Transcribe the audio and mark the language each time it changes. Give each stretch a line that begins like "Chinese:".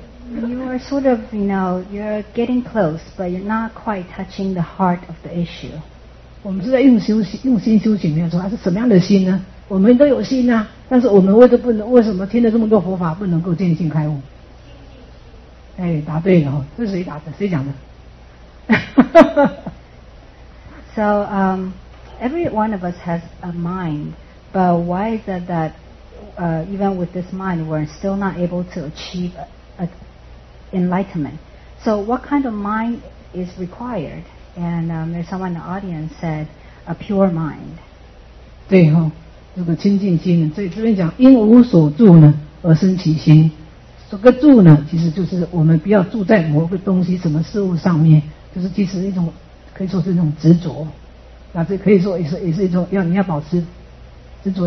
English: You are sort of, you know, you're getting close, but you're not quite touching the heart of the issue.
Chinese: 我们是在用修行，用心修行没有错，是什么样的心呢？我们都有心啊，但是我们为什么不能？为什么听了这么多佛法不能够见性开悟？哎，答对了哈，是谁答的？谁讲的？
English: So, every one of us has a mind, but why is it that, even with this mind, we're still not able to achieve enlightenment? So, what kind of mind is required? And there's someone in the audience said, a pure mind.
Chinese: 对哈，这个清净心，所以这边讲因无所住呢而生其心。这个住呢，其实就是我们不要住在某个东西、什么事物上面，就是其实一种。可以说是一种执着，那这可以说也是一种要你要保持执着。